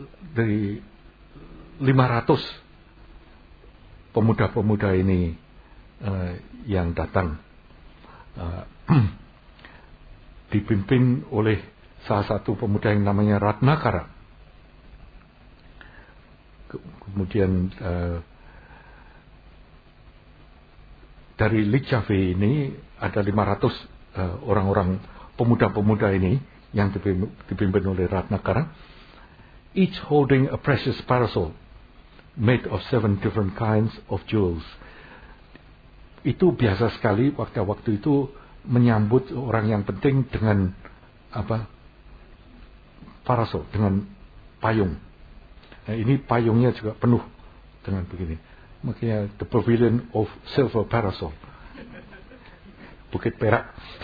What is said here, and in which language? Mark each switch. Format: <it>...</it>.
<id>Dari 500 pemuda-pemuda ini yang datang dipimpin oleh salah satu pemuda yang namanya Ratnakara. Kemudian dari Lichave ini ada 500 orang-orang pemuda-pemuda ini yang dipimpin oleh Ratnakara.</id> <en>Each holding a precious parasol made of 7 different kinds of jewels.</en> <id>Itu biasa sekali waktu-waktu itu menyambut orang yang penting dengan apa? Parasol, dengan payung. Nah, ini payungnya juga penuh dengan begini. Makanya</id> <en>the pavilion of silver parasol.</en> <id>Bukit Perak.</id>